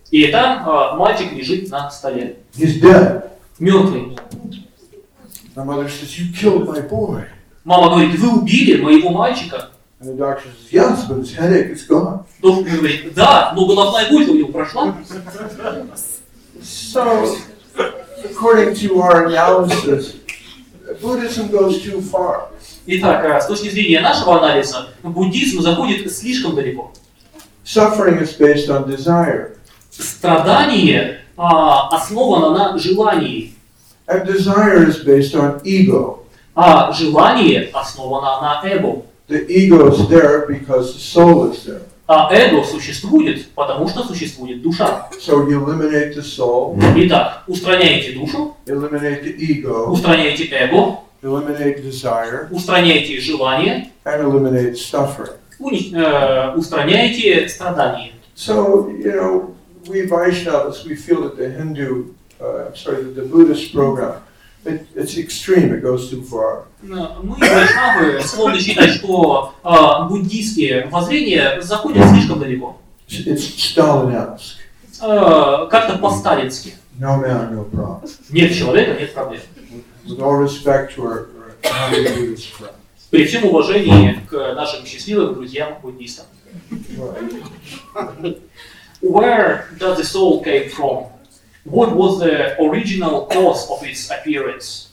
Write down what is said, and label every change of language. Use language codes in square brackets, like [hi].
[ru] И там мальчик лежит на столе. [en] He's dead. [ru] Мертвый. [en] The mother says, you killed my boy. [ru] Мама говорит, вы убили моего мальчика. [en] And the doctor says, yes, but his headache is gone. [ru] Доктор говорит, да, но головная боль у него прошла. [en] So, according to our analysis, Buddhism goes too far. [ru] Итак, с точки зрения нашего анализа, буддизм заходит слишком далеко. [en] Suffering is based on desire. [ru] Страдание основано на желании. [en] And desire is based on ego. [ru] А желание основано на эго. [en] The ego is there because the soul is there. [ru] А эго существует, потому что существует душа. [en] So you eliminate the soul. [ru] Итак, устраняете душу. [en] Eliminate the ego. [ru] Устраняете эго. [en] Eliminate desire. [ru] Устраняете желание. [en] And eliminate suffering. [ru] Устраняете страдания. [en] So, you know, we Vaishnavas, we feel that the Hindu, the Buddhist program, it's extreme, it goes too far. [ru] Мы Вайшнавы склонны считать, что буддийские воззрения заходят слишком далеко. [en] It's Stalin-esque. [ru] Как-то по-сталински. [en] No man, no problem. [ru] Нет человека, нет проблем. [en] With all respect to our Buddhist friends. [ru] При всем уважении к нашим счастливым друзьям буддистам. [en] Where does the soul came from? What was the original cause of its appearance?